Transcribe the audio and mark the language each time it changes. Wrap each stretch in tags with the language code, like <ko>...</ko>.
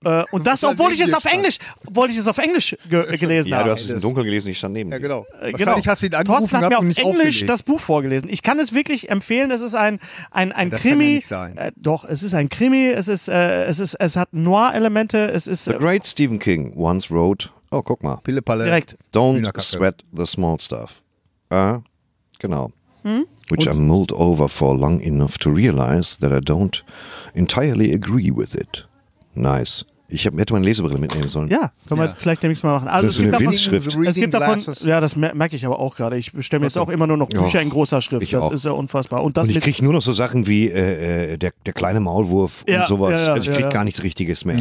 <de>Und das, obwohl ich es auf Englisch gelesen habe. Ja, du hast es im Dunkeln gelesen, ich stand neben dir. Ja, genau. Wahrscheinlich hast du ihn angerufen, Thorsten hat mir auf Englisch das Buch vorgelesen. Ich kann es wirklich empfehlen, es ist ein Krimi. Das kann ja nicht sein. Doch, es ist ein Krimi, es hat Noir-Elemente, es ist...</de> <en>The great Stephen King once wrote...</en> <de>Oh, guck mal. Pille Palle. Direkt.</de> <en>Don't sweat the small stuff.</en> <de>Genau.</de> <en>Which I mulled over for long enough to realize that I don't entirely agree with it. Nice.</en> <de>Ich hätte meine Lesebrille mitnehmen sollen. Ja, können wir vielleicht demnächst mal machen. Also, das ist eine Windschrift. Es gibt davon, ja, das merke ich aber auch gerade. Ich bestelle mir jetzt auch immer nur noch Bücher in großer Schrift. Ist ja unfassbar. Und ich kriege nur noch so Sachen wie der kleine Maulwurf und sowas. Also ich kriege gar nichts Richtiges mehr.</de>